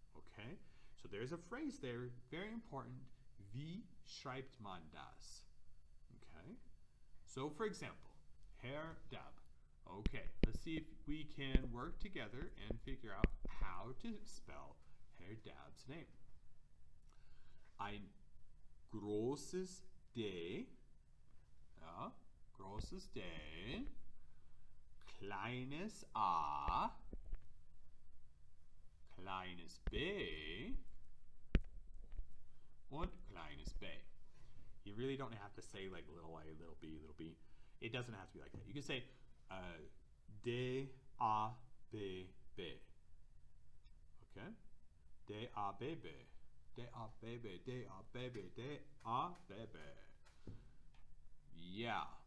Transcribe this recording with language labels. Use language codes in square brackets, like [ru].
[en] Okay, so there's a phrase there, very important, [de] wie schreibt man das? [en] Okay, so for example, Herr Dub. Okay, let's see if we can work together and figure out how to spell Herr Dab's name. [de] Ein großes D, ja, großes D, kleines A, kleines B, und kleines B. [en] You really don't have to say like little A, little B, little B. It doesn't have to be like that. You can say D A B B. Okay? D A B B. D A B B. D A B B. D A B B. Yeah.